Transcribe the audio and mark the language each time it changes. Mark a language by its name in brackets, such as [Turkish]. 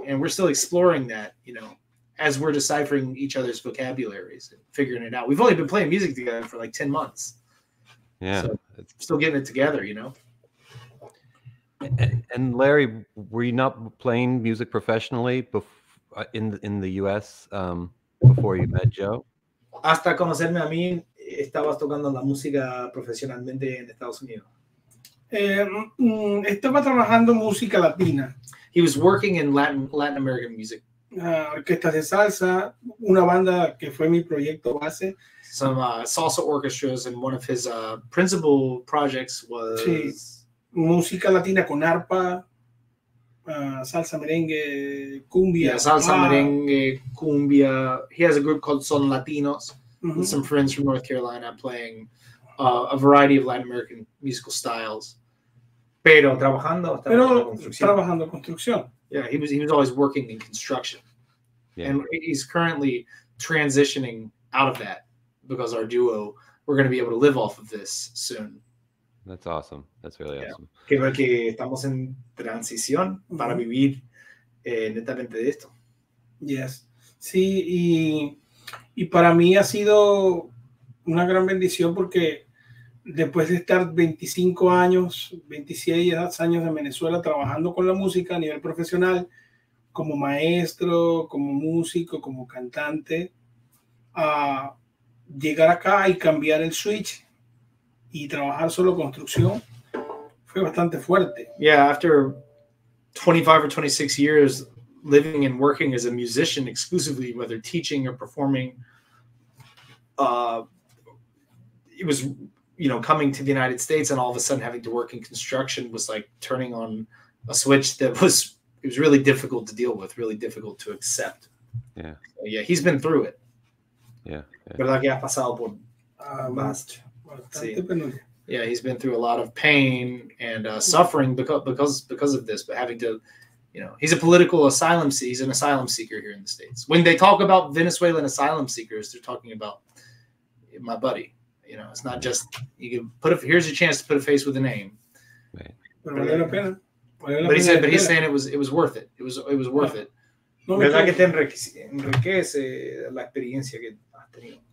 [English] And we're still exploring that, you know, as we're deciphering each other's vocabularies and figuring it out. We've only been playing music together for like 10 months. Yeah. So still getting it together, you know? And Larry, were you not playing music professionally in the U.S. Before you met Joe? [Spanish] Hasta conocerme a mí, estabas tocando la música profesionalmente en Estados Unidos. Estaba trabajando música latina. [English] He was working in Latin American music. [Spanish] Orquesta de salsa, una banda que fue mi proyecto base. [English] Some salsa orchestras, and one of his principal projects was... [Spanish] Sí. Música latina con arpa, salsa, merengue, cumbia. [English] Yeah, salsa, merengue, cumbia. He has a group called Son Latinos, mm-hmm. with some friends from North Carolina playing a variety of Latin American musical styles. [Spanish] Pero trabajando construcción. [English] Yeah, he was always working in construction. Yeah. And he's currently transitioning out of that because our duo, we're going to be able to live off of this soon. That's awesome. That's really awesome. [Spanish] Creo que estamos en transición para vivir netamente de esto. [English] Yes. [Spanish] Sí, y para mí ha sido una gran bendición porque después de estar 25 años, 26 años en Venezuela trabajando con la música a nivel profesional, como maestro, como músico, como cantante, a llegar acá y cambiar el switch y trabajar solo construcción fue bastante fuerte. [English] Yeah, after 25 or 26 years living and working as a musician exclusively, whether teaching or performing, it was, you know, coming to the United States and all of a sudden having to work in construction was like turning on a switch that was it was really difficult to deal with, really difficult to accept. Yeah. So, yeah, he's been through it. Yeah. [Spanish] ¿Verdad que ha pasado por [English] Yeah, he's been through a lot of pain and suffering because of this, but having to, you know, he's a political asylum seeker. He's an asylum seeker here in the States. When they talk about Venezuelan asylum seekers, they're talking about my buddy. You know, it's not just you can put a, here's a chance to put a face with a name. Right. But he said, but he's saying it was worth it. It was worth it. [Spanish] No, verdad que te enriquece la experiencia que has tenido.